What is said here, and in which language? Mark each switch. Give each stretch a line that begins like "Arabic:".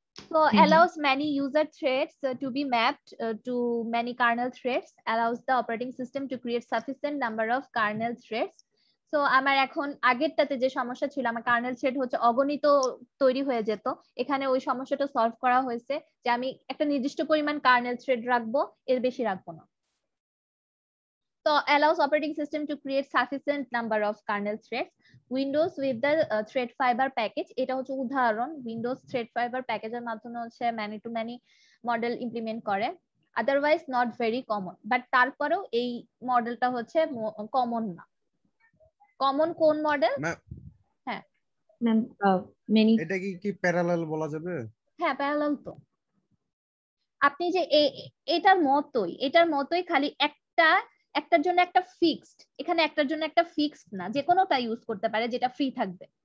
English: So allows many user threads to be mapped to many kernel threads, allows the operating system to create sufficient number of kernel threads.
Bangla: So আমার এখন আগেরটাতে যে সমস্যা ছিল আমার kernel thread হচ্ছে অগণিত তৈরি হয়ে যেত, এখানে ওই সমস্যাটা সলভ করা হয়েছে যে আমি একটা নির্দিষ্ট পরিমাণ কার্নেল থ্রেড রাখবো, এর বেশি রাখবো না।
English: So allows operating system to create sufficient number of kernel threads. Windows with the thread fiber package,
Bangla: এটা হচ্ছে উদাহরণ,
English: Windows thread fiber package
Bangla: এর মাধ্যমে হচ্ছে
English: many to many model implement করে, otherwise not very common.
Bangla: But তারপরেও এই মডেলটা হচ্ছে কমন না। কমন কোন মডেল? হ্যাঁ
English: many,
Bangla: এটা কি প্যারালাল বলা যাবে? হ্যাঁ প্যারালাল তো, আপনি যে এটার মতই খালি একটা একটার জন্য একটা ফিক্সড, এখানে একটার জন্য একটা ফিক্সড না, যে কোনোটা ইউজ করতে পারে যেটা ফ্রি থাকবে।